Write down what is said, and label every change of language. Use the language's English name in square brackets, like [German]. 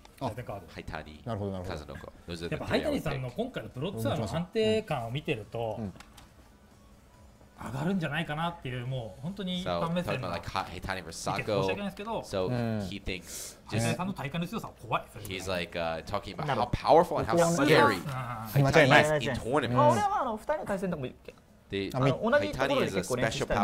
[Japanese] 対戦カードハイタニなるほどなるほどやっぱハイタニさんの今回のプロツアーの安定感を見てると、うん上がるんじゃないかなっていうもう本当に一般目線の意見申し上げないですけど、 [English] so he thinks [Japanese] ハイタニさんの体幹の強さは怖い。 [English] He's like talking about how powerful and how scary ハイタニ in tournaments。 [Japanese] これはあの二人の対戦とも同じところで結構練習した